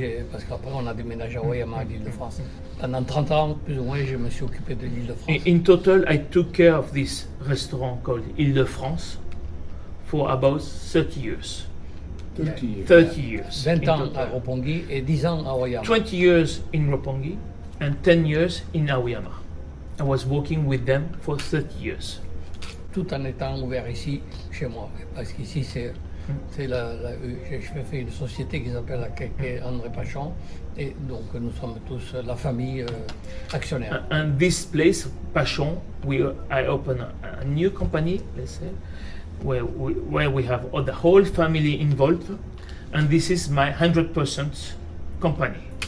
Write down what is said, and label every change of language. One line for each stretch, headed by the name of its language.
French: Parce qu'après on a déménagé à Wayama, à l'Île-de-France. Pendant 30 ans, plus ou moins, je me suis occupé de l'Île-de-France.
English: In total, I took care of this restaurant called Île-de-France for about 30 years. 30 years.
French: 20 ans à Roppongi et 10 ans à Wayama.
English: 20 years in Roppongi and 10 years in Wayama. I was working with them for 30 years.
French: Tout en étant ouvert ici, chez moi, parce qu'ici c'est... je fais une société qui s'appelle André Pachon, et donc nous sommes tous la famille actionnaire.
English: And this place, Pachon, I open a new company, let's say, where we have all the whole family involved, and this is my 100% company.